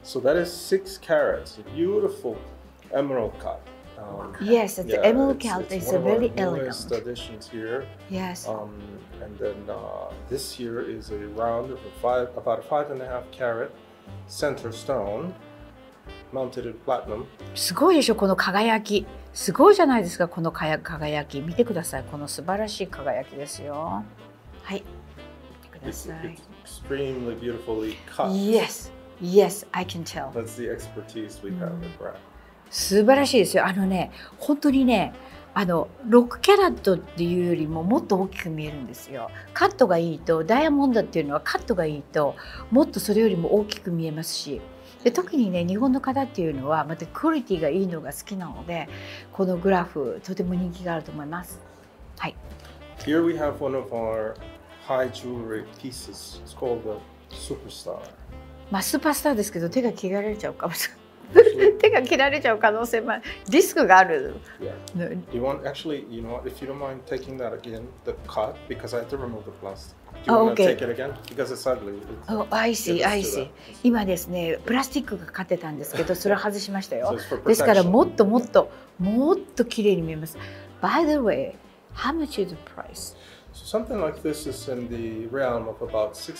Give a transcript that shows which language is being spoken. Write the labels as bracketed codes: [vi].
[en] So that is 6 carats, a beautiful emerald cut. Yes, the emerald cut is very elegant. It's one of our newest additions here. Yes. And then this year is a round of about a 5.5 carat center stone, mounted in platinum. [ja] すごいでしょ、この輝き。すごいじゃないですか、この輝き。見てください、この素晴らしい輝きですよ。はい、見てください。 [en] It's extremely beautifully cut. Yes, yes, I can tell. That's the expertise we have with Brad. [ja] 素晴らしいですよ。あのね、本当にね、あの6キャラットっていうよりももっと大きく見えるんですよ。カットがいいと、ダイヤモンドっていうのはカットがいいと、もっとそれよりも大きく見えますし、で特にね、日本の方っていうのはまたクオリティがいいのが好きなので、このグラフとても人気があると思います。はい、 [en] Here we have one of our high jewelry pieces. It's called the Superstar. [ja] まあスーパースターですけど、手が切られちゃうかもしれない。手が切られちゃう可能性もリスクがある。 [en] Yeah. You want, actually, you know what, if you don't mind taking that again, the cut, because I have to remove the plastic. Do you want to take it again? Because it's ugly. Oh, I see, I see. [ja] 今ですね、プラスチックがかかってたんですけど、それを外しましたよ。 [en] So it's for protection. [ja] ですから、もっともっと、もっと綺麗に見えます。 [en] By the way, how much is the price? So something like this is in the realm of about